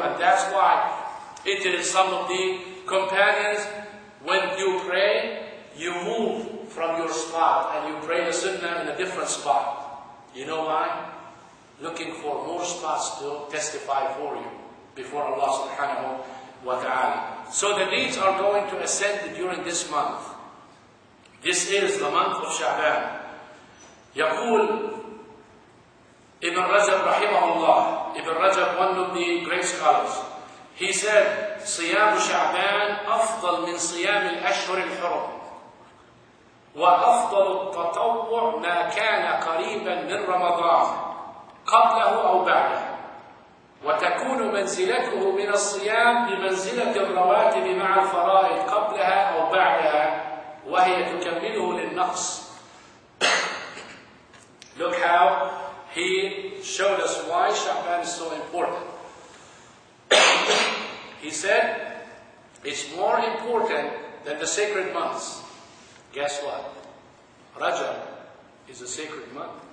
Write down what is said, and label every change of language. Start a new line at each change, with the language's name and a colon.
English: And that's why it is some of the companions, when you pray, you move from your spot and you pray the sunnah in a different spot. You know why? Looking for more spots to testify for you before Allah subhanahu wa ta'ala. So the deeds are going to ascend during this month. This is the month of Sha'ban. Yaqul Ibn Rajab rahimahullah, Ibn Rajab, one of the great scholars, he said,
Arabic: صيام شعبان أفضل من صيام الأشهر الحرم وأفضل التطوع ما كان قريبا من رمضان قبله أو بعده وتكون منزلته من الصيام بمنزلة الرواتب مع الفرائض قبلها أو بعدها وهي تكمله للنقص.
English: Look how he showed us why Sha'ban is so important. He said, it's more important than the sacred months. Guess what? Rajab is a sacred month.